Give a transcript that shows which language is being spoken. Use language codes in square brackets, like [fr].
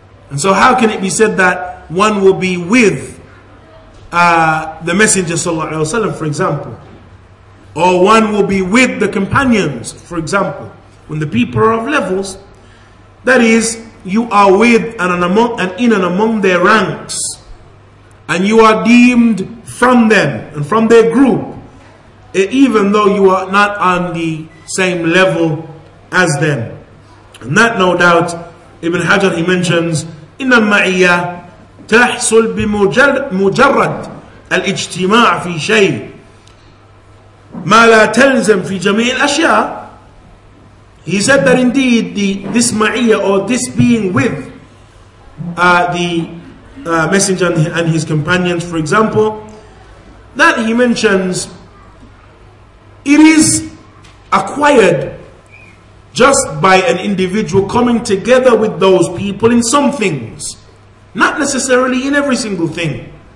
[en] And so how can it be said that one will be with the Messenger sallallahu alaihi wasallam, for example, or one will be with the companions, for example, when the people are of levels? That is, you are with and among their ranks, and you are deemed from them and from their group, even though you are not on the same level as them. And that, no doubt, Ibn Hajar, he mentions [ar] inna ma'iyya تحصل بمجرد الاجتماع في شيء ما لا تلزم في جميع الأشياء. [en] He said that indeed this ma'iyya or this being with the Messenger and his companions, for example, that he mentions it is acquired just by an individual coming together with those people in some things, not necessarily in every single thing.